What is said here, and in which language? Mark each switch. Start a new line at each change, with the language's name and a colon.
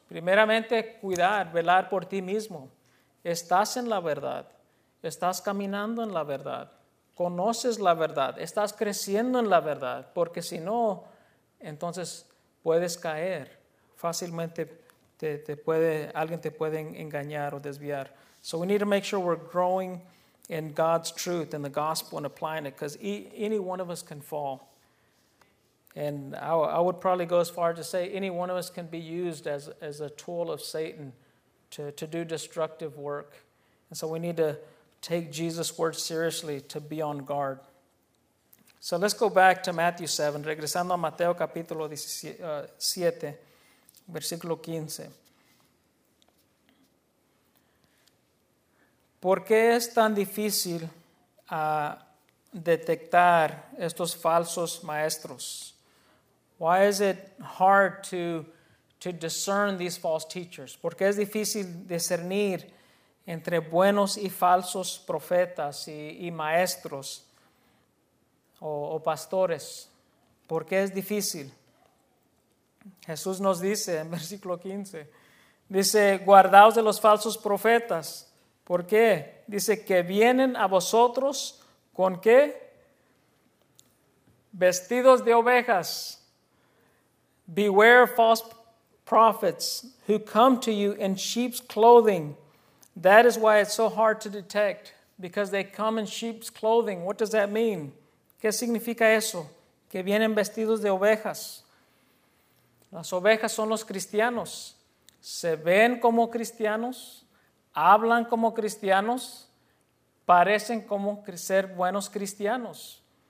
Spanish: Primeramente, cuidar, velar por ti mismo. Estás en la verdad, estás caminando en la verdad. Conoces la verdad, estás creciendo en la verdad, porque si no, entonces puedes caer fácilmente. Alguien te puede engañar o desviar.
English: So we need to make sure we're growing in God's truth and the gospel and applying it, because any one of us can fall. And I would probably go as far as to say any one of us can be used as a tool of Satan to do destructive work. And so we need to take Jesus' word seriously, to be on guard. So let's go back to Matthew 7.
Spanish: Regresando a Mateo capítulo 7, versículo 15. ¿Por qué es tan difícil detectar estos falsos maestros?
English: Why is it hard to discern these false teachers?
Spanish: ¿Por qué es difícil discernir entre buenos y falsos profetas y maestros o pastores? ¿Por qué es difícil? Jesús nos dice en versículo 15, dice, guardaos de los falsos profetas. ¿Por qué? Dice, que vienen a vosotros, ¿con qué? Vestidos de ovejas.
English: Beware of false prophets who come to you in sheep's clothing. That is why it's so hard to detect, because they come in sheep's clothing. What does that mean?
Spanish: ¿Qué significa eso? Que vienen vestidos de ovejas. Las ovejas son los cristianos. Se ven como cristianos, hablan como cristianos, parecen como ser buenos cristianos.